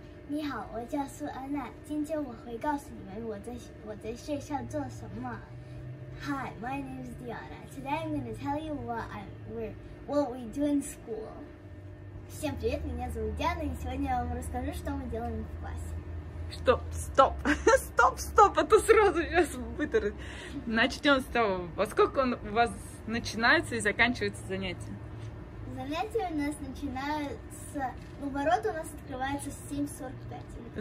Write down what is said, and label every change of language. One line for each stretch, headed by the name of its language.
Chinese: 你好，我叫苏安娜，今天我会告诉你们我在学校做什么。
English: Hi, my name is Diana. Today I'm going to tell you what we do in school.
Russian: Всем привет, меня зовут Диана, и сегодня я вам расскажу, что мы делаем в классе. Стоп, это сразу сейчас вытарит. Начнем с того, во сколько он у вас начинается и заканчивается занятие? Занятия у нас начинаются... Ну, ворота у нас открываются в 7:45.